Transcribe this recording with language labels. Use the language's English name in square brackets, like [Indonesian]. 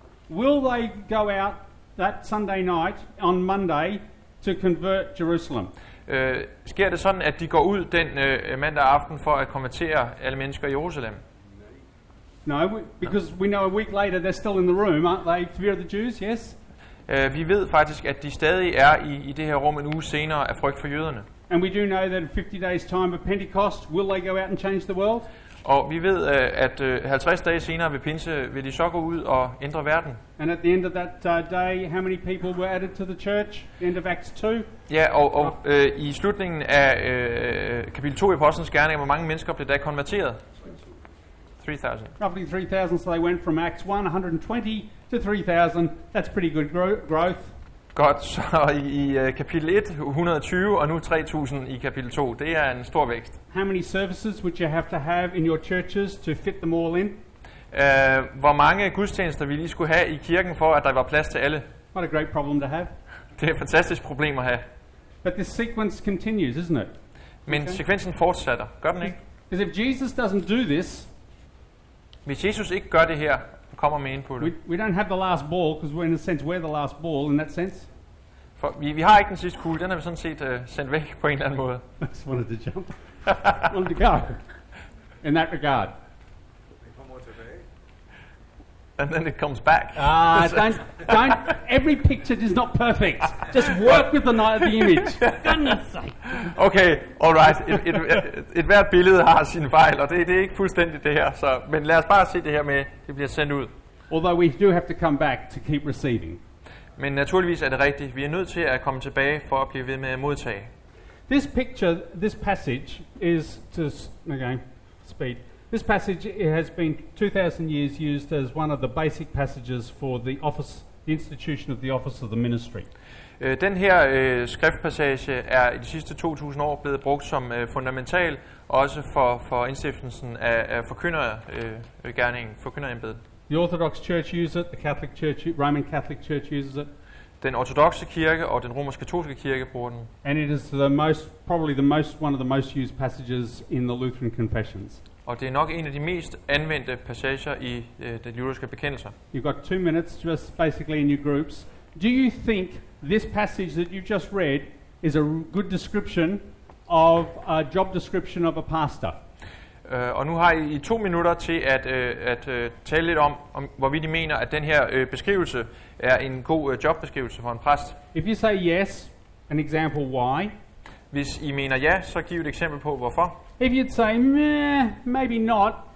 [English] Will they go out that Sunday night on Monday to convert Jerusalem? [Danish] Sker det sådan, at de går ud den mandag aften for at konvertere alle mennesker i Jerusalem? [English] No, because we know a week later they're still in the room, aren't they? Fear of the Jews, yes? [Danish] Vi ved faktisk, at de stadig er i det her rum en uge senere af frygt for jøderne. [English] And we do know that in 50 days time of Pentecost, will they go out and change the world? [Danish] Og vi ved, at 50 dage senere ved pinse vil de så gå ud og ændre verden. [English] And at the end of that day, how many people were added to the church? End of Acts 2. [Danish] Ja, og i slutningen af kapitel 2 i Apostlenes Gerninger, hvor mange mennesker blev da konverteret? [English] 3000. Roughly 3000, so they went from Acts 1, 120 to 3000. That's pretty good growth. [Danish] Godt, så i kapitel 1, 120, og nu 3000 i kapitel 2. Det er en stor vækst. [English] How many services would you have to have in your churches to fit them all in? [Danish] Hvor mange gudstjenester ville I skulle have i kirken for, at der var plads til alle? [English] What a great problem to have. [Danish] Det er et fantastisk problem at have. [English] But this sequence continues, isn't it? [Danish] Men okay. Sekvensen fortsætter, gør den ikke? [English] Because if Jesus doesn't do this, [Danish] hvis Jesus ikke gør det her, kommer med input. [English] We don't have the last ball, because we're in a sense we're the last ball in that sense. [Danish] For vi har ikke den sidste kugle, den har vi sådan set sendt væk på en eller anden måde. [English] I just wanted to jump. I wanted to go. In that regard. And then it comes back. don't. Every picture is not perfect. Just work with the night of the image. Goodness sake. Okay, all right. [Danish] Et hvert billede har sin fejl, og det er ikke fuldstændigt det her. Så, men lad os bare se det her med, det bliver sendt ud. [English] Although we do have to come back to keep receiving. [Danish] Men naturligvis er det rigtigt. Vi er nødt til at komme tilbage for at blive ved med at modtage. [English] This picture, this passage is to speed. This passage has been 2,000 years used as one of the basic passages for the office, the institution of the office of the ministry. [Danish] Den her skriftpassage er i de sidste 2,000 år blevet brugt som fundamental også for indstiftelsen af forkyndergerningen, forkynderembedet. [English] The Orthodox Church uses it. The Catholic Church, Roman Catholic Church, uses it. [Danish] Den ortodokse kirke og den romersk-katolske kirke bruger den. [English] And it is the most, probably the most, one of the most used passages in the Lutheran Confessions. [Danish] Og det er nok en af de mest anvendte passager i den lutherske bekendelse. [English] You've got 2 minutes, just basically in your groups. Do you think this passage that you've just read is a good description of a job description of a pastor? [Danish] Og nu har I 2 minutter til at tale lidt om hvorvidt I mener, at den her beskrivelse er en god jobbeskrivelse for en præst. [English] If you say yes, an example why. [Danish] Hvis I mener ja, så giv et eksempel på hvorfor. [English] If you'd say maybe not.